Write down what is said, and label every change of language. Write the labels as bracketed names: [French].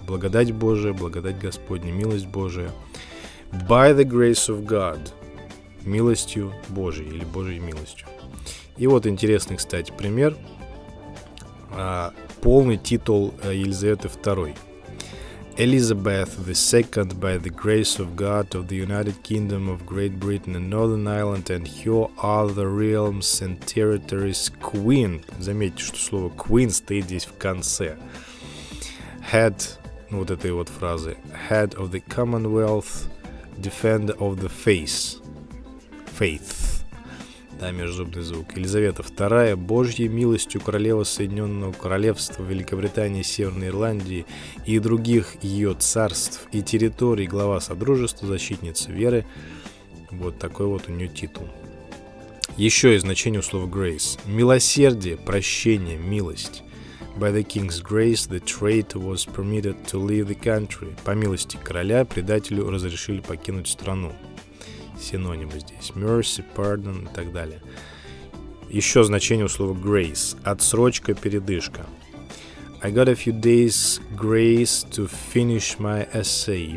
[Russian] Благодать Божия, благодать Господня, милость Божия. [English] By the grace of God. [Russian] Милостью Божией или Божьей милостью. И вот интересный, кстати, пример. Полный титул Елизаветы II. [English] Elizabeth II, by the grace of God of the United Kingdom of Great Britain and Northern Ireland and her other realms and territories, Queen. [Russian] Заметьте, что слово Queen стоит здесь в конце. Head, ну вот этой вот фразы. [English] Head of the Commonwealth, defender of the faith. [Russian] Да, межзубный звук. Елизавета II, Божьей милостью королева Соединенного Королевства, Великобритании, Северной Ирландии и других ее царств и территорий, глава Содружества, защитница веры. Вот такой вот у нее титул. Еще и значение у слова grace. Милосердие, прощение, милость. [English] By the king's grace, the traitor was permitted to leave the country. [Russian] По милости короля предателю разрешили покинуть страну. Синонимы здесь. Mercy, pardon и так далее. Еще значение у слова grace. Отсрочка, передышка. [English] I got a few days grace to finish my essay.